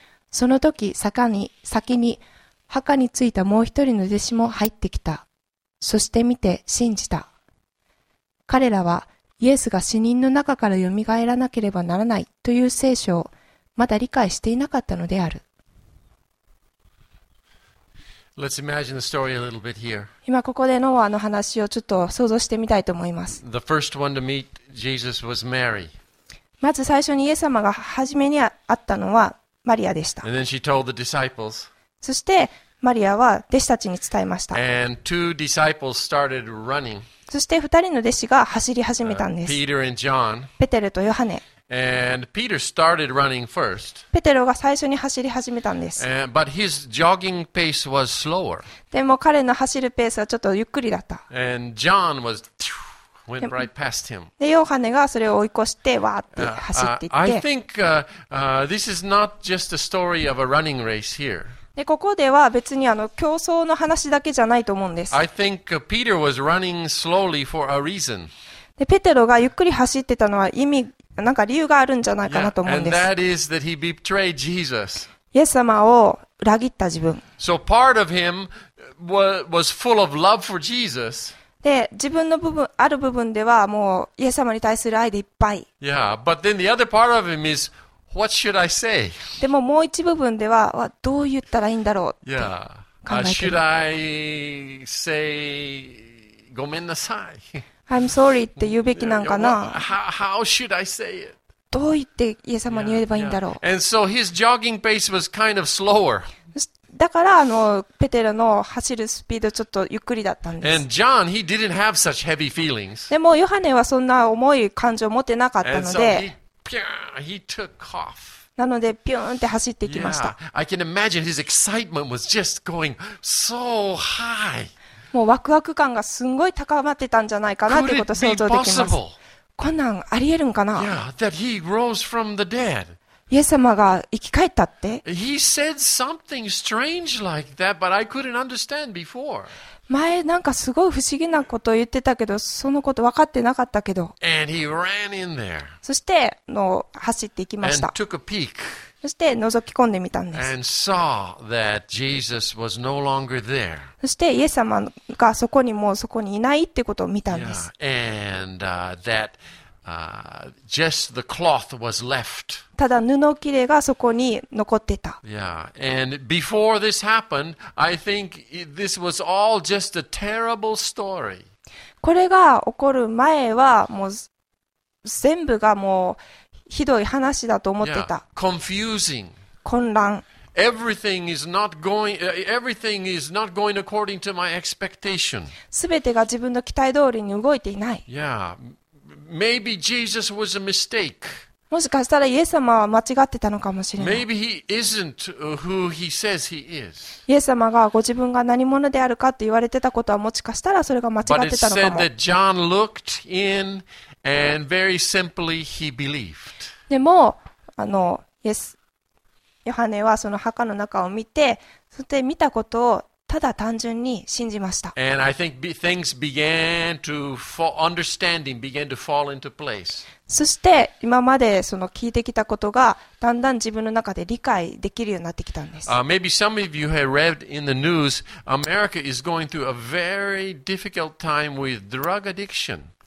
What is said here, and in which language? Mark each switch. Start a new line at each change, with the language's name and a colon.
Japanese: その時先に墓に着いたもう一人の弟子も入ってきた。そして見て信じた。彼らはイエスが死人の中から蘇らなければならないという聖書をまだ理解していなかったのである。
English: Let's imagine the story a little bit here.
Japanese: 今ここでノアの話をちょっと想像してみたいと思います。
English: The first one to meet Jesus was Mary.
Japanese: まず最初にイエス様が初めに会ったのはマリアでした。
English: And then she told the disciples.
Japanese: そしてマリアは弟子たちに伝えました。
English: And two disciples started running.
Japanese: そして二人の弟子が走り始めたんです。
English: Peter and John.
Japanese: ペテルとヨハネ。
English: And Peter started running first.
Japanese: ペテロが最初に走り始めたんです。
English: But his jogging pace was slower.
Japanese: でも彼の走るペースはちょっとゆっくりだった。
English: And John was went right past him.
Japanese: でヨハネがそれを追い越してわーって走っていって。
English: I think this is not just a story of a running race here.
Japanese: でここでは別にあの競争の話だけじゃないと思うんです。
English: I think Peter was running slowly for a reason.
Japanese: でペテロがゆっくり走ってたのは意味なんか理由があるんじゃないかなと思うんです。
English: Yeah, and that is that he betrayed Jesus.
Japanese: イエス様を裏切った自分。
English: So part of him was full of love for Jesus.
Japanese: で、自分の部分、ある部分ではもうイエス様に対する愛でいっぱい。
English: Yeah, but then the other part of him is, what should I say?
Japanese: でももう一部分では、どう言ったらいいんだろうって考えてる。
English: Yeah, should I say,
Japanese: ごめんなさい。
English: I'm sorry
Japanese: って言うべきなんかな。
English: How should I say it?
Japanese: どう言ってイエス様に言えばいいんだろう。
English: Yeah, yeah. And so his jogging pace was kind of slower.
Japanese: だからペテロの走るスピードちょっとゆっくりだったんです。
English: And John, he didn't have such heavy feelings.
Japanese: でもヨハネはそんな重い感情を持ってなかったので、
English: he took off.
Japanese: なのでピューンって走っていきました。
English: Yeah, I can imagine his excitement was just going so high.
Japanese: もうワクワク感がすごい高まってたんじゃないかなってことを想像できます。
English: Could it be possible?
Japanese: こんなんありえるんかな?
English: Yeah, that he rose from the dead.
Japanese: イエス様が生き返ったって?
English: He said something strange like that, but I couldn't understand before.
Japanese: 前なんかすごい不思議なことを言ってたけど、そのこと分かってなかったけど。
English: And he ran in there.
Japanese: そして走っていきました。
English: And took a peek.
Japanese: そして覗き込んでみたんです。
English: And saw that Jesus was no longer there.
Japanese: そしてイエス様がそこにもうそこにいないってことを見たんです。
English: Yeah. And that just the cloth was left.
Japanese: ただ布切れがそこに残ってた。
English: Yeah. And before this happened, I think this was all just a terrible story.
Japanese: これが起こる前はもう全部がもうひどい話だと思ってた。
English: Yeah. Confusing.
Japanese: 混乱。
English: Everything is not going. Everything is not going according to my expectation.
Japanese: すべてが自分の期待通りに動いていない。
English: Yeah. Maybe Jesus was a mistake.
Japanese: もしかしたらイエス様は間違ってたのかもしれない。
English: Maybe he isn't who he says he is.
Japanese: イエス様がご自分が何者であるかって言われてたことはもしかしたらそれが間違ってたのかも。
English: But it said that John looked in and very simply he believed.
Japanese: でもイエス。ヨハネはその墓の中を見て、そして見たことをただ単純に信じました。
English: And I think things began to fall, understanding began to fall into place.
Japanese: そして今までその聞いてきたことがだんだん自分の中で理解できるようになってきたんです。
English: Maybe some of you have read in the news, America is going through a very difficult time with drug addiction.